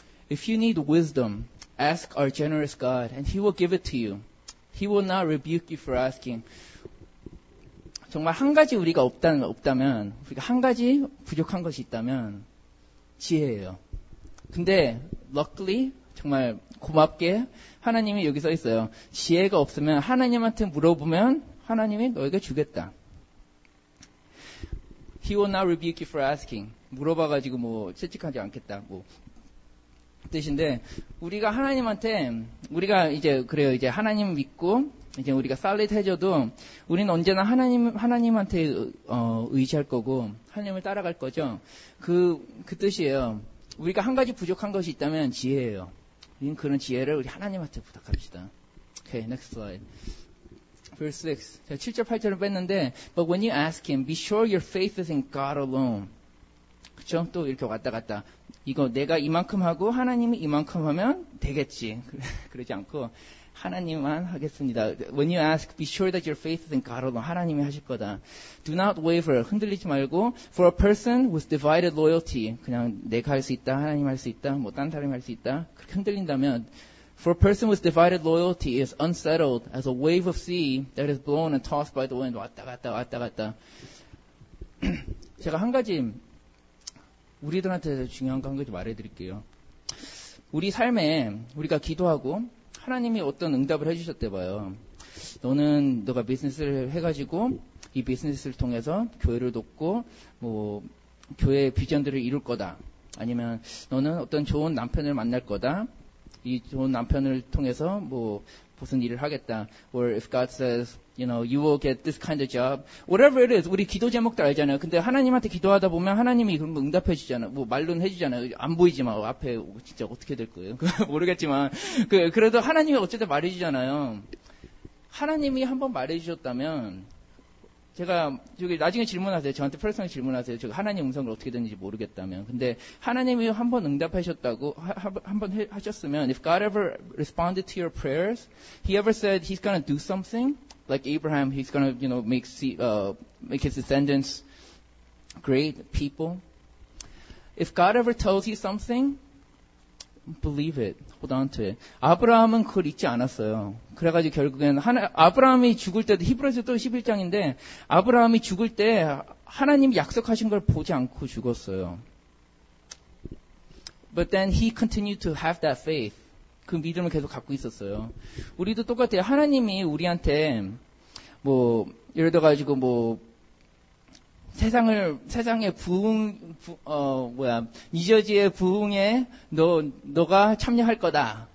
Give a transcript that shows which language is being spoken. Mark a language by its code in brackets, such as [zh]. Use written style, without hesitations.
[en] If you need wisdom, ask our generous God and He will give it to you. He will not rebuke you for asking. [ko] 정말 한 가지 우리가 없다면, 우리가 한 가지 부족한 것이 있다면 지혜예요. 근데 luckily, 정말 고맙게 하나님이 여기 써 있어요. 지혜가 없으면 하나님한테 물어보면 하나님이 너에게 주겠다. [en] He will not rebuke you for asking. [ko] 물어봐가지고 채찍하지 않겠다. 뜻인데 우리가 하나님한테 우리가 이제 그래요. 이제 하나님 믿고 이제 우리가 solid 해줘도 우리는 언제나 하나님한테 의지할 거고 하나님을 따라갈 거죠. 그 뜻이에요. 우리가 한 가지 부족한 것이 있다면 지혜예요. 우리는 그런 지혜를 우리 하나님한테 부탁합시다. Okay, next slide. Verse 6. 7절, 8절을 뺐는데, [en] But when you ask him, be sure your faith is in God alone. [ko] 그쵸? 또 이렇게 왔다 갔다. 이거 내가 이만큼 하고 하나님이 이만큼 하면 되겠지. 그러지 않고 하나님만 하겠습니다. [en] When you ask, be sure that your faith is in God alone. [ko] 하나님이 하실 거다. [en] Do not waver. [ko] 흔들리지 말고. [en] For a person with divided loyalty. [ko] 그냥 내가 할 수 있다. 하나님 할 수 있다. 뭐 딴 사람이 할 수 있다. 그렇게 흔들린다면 [en] For a person with divided loyalty is unsettled as a wave of sea that is blown and tossed by the wind. [ko] 왔다 갔다 왔다 갔다. 제가 한 가지 우리들한테 중요한 거 한 가지 말해드릴게요. 우리 삶에 우리가 기도하고 하나님이 어떤 응답을 해주셨대 봐요. 너는 너가 비즈니스를 해가지고 이 비즈니스를 통해서 교회를 돕고 뭐 교회의 비전들을 이룰 거다. 아니면 너는 어떤 좋은 남편을 만날 거다. 이 좋은 남편을 통해서 뭐 무슨 일을 하겠다. [en] Or if God says, you know, you will get this kind of job. Whatever it is, [ko] 우리 기도 제목도 알잖아요. 근데 하나님한테 기도하다 보면 하나님이 그런 응답해 주잖아요. 뭐 말로는 해 주잖아요. 안 보이지만 앞에 진짜 어떻게 될 거예요? 모르겠지만 그래도 하나님이 어쨌든 말해 주잖아요. 하나님이 한번 말해 주셨다면 제가 저기 나중에 질문하세요. 저한테 퍼스널 질문하세요. 제가 하나님 음성을 어떻게 듣는지 모르겠다면. 근데 하나님이 한번 응답하셨다고 한번 하셨으면 [en] If God ever responded to your prayers, he ever said he's going to do something like Abraham, he's going to, you know, make his descendants great people. If God ever tells you something, believe it. Hold on to it. [ko] 아브라함은 그걸 잊지 않았어요. 그래가지고 결국엔 아브라함이 죽을 때도 히브리서 또 11장인데 아브라함이 죽을 때 하나님이 약속하신 걸 보지 않고 죽었어요. [en] But then he continued to have that faith. [ko] 그 믿음을 계속 갖고 있었어요. 우리도 똑같아요. 하나님이 우리한테 뭐 예를 들어가지고 뭐 세상의 부흥, 뉴저지의 부흥에 너가 참여할 거다.